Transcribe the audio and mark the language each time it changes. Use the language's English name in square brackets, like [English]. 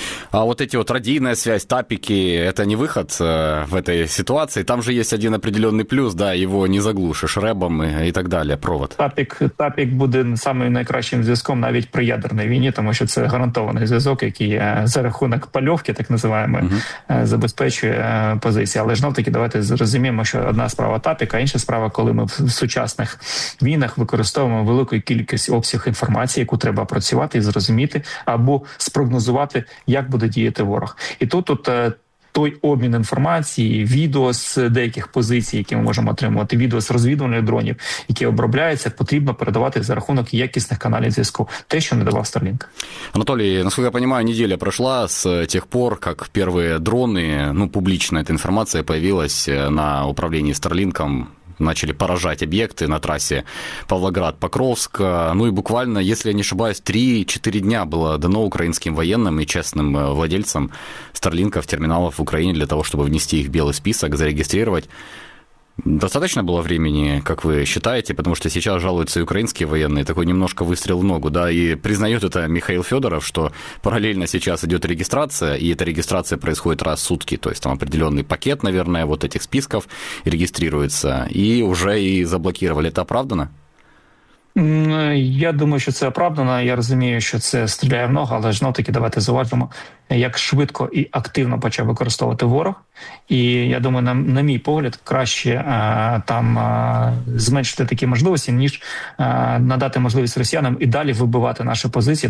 [Russian] А вот эти вот радійна связь, тапики, это не выход в этой ситуации. Там же есть один определенный плюс, да, его не заглушишь ребом и так далее, провод. [Ukrainian] Тапик буде самим найкращим зв'язком навіть при ядерній війні, тому що це гарантований зв'язок, який за рахунок пальовки, так називаємо, забезпечує позиції. Але знов-таки давайте зрозуміємо, що одна справа тапік, а інша справа, коли ми в сучасних війнах використовуємо велику кількість обсяг інформації, яку треба опрацювати і зрозуміти або спрогнозувати, як буде діяти ворог. І тут той обмін інформації, відео з деяких позицій, які ми можемо отримувати, відео з розвідувальних дронів, які обробляються, потрібно передавати за рахунок якісних каналів зв'язку. Те, що не давав Starlink. Анатолій, наскільки я розумію, неділя пройшла з тих пор, як перші дрони, публічна ця інформація з'явилася на управлінні Starlink. [Russian] начали поражать объекты на трассе Павлоград-Покровск. Ну и буквально, если я не ошибаюсь, 3-4 дня было дано украинским военным и честным владельцам Starlink'ов, терминалов в Украине для того, чтобы внести их в белый список, зарегистрировать. Достаточно было времени, как вы считаете, потому что сейчас жалуются и украинские военные, такой немножко выстрел в ногу, да, и признает это Михаил Федоров, что параллельно сейчас идет регистрация, и эта регистрация происходит раз в сутки, то есть там определенный пакет, наверное, вот этих списков регистрируется, и уже и заблокировали. Это оправдано? [Ukrainian] Я думаю, що це оправдано. Я розумію, що це стріляє в ногу, але знов-таки давайте зуважимо, як швидко і активно почав використовувати ворог. І я думаю, на мій погляд, краще там зменшити такі можливості, ніж надати можливість росіянам і далі вибивати наші позиції.